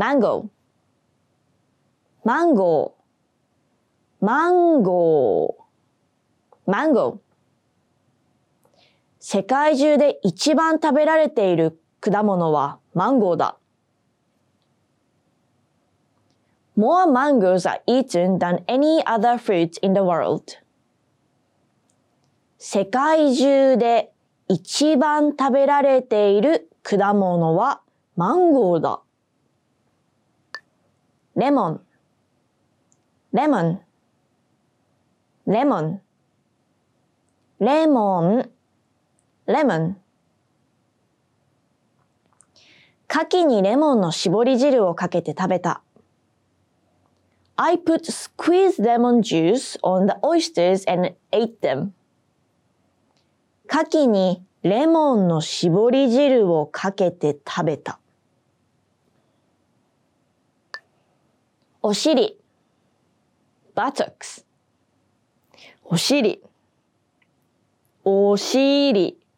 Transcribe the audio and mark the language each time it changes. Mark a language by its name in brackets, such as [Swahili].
[Japanese] マンゴー、マンゴー、マンゴー、マンゴー。世界中で一番食べられている果物はマンゴーだ。 [English] More mangoes are eaten than any other fruit in the world. [Japanese] 世界中で一番食べられている果物はマンゴーだ。レモン、レモン、レモン、レモン、レモン。牡蠣にレモンの搾り汁をかけて食べた。 [English] I put squeezed lemon juice on the oysters and ate them. [Japanese] 牡蠣にレモンの搾り汁をかけて食べた。お尻、 [English] buttocks。 [Japanese] お尻、お尻、